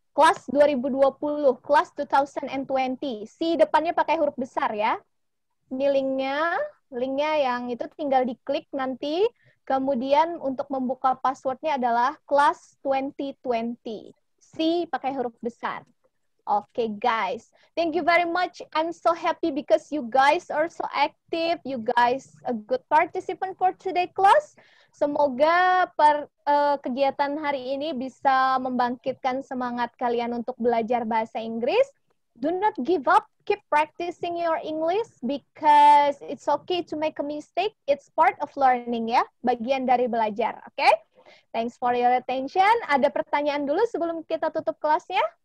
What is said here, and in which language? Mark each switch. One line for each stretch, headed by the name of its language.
Indonesian: Kelas 2020. Kelas 2020. C depannya pakai huruf besar ya. Ini linknya. Linknya yang itu tinggal diklik nanti. Kemudian untuk membuka passwordnya adalah class 2020. C pakai huruf besar.
English: Okay, guys. Thank you very much. I'm so happy because you guys are so active. You guys a good participant for today class.
Indonesian: Semoga kegiatan hari ini bisa membangkitkan semangat kalian untuk belajar bahasa Inggris.
English: Do not give up. Keep practicing your English because it's okay to make a mistake. It's part of learning, ya.
Indonesian: Bagian dari belajar,
English: okay? Thanks for your attention.
Indonesian: Ada pertanyaan dulu sebelum kita tutup kelasnya?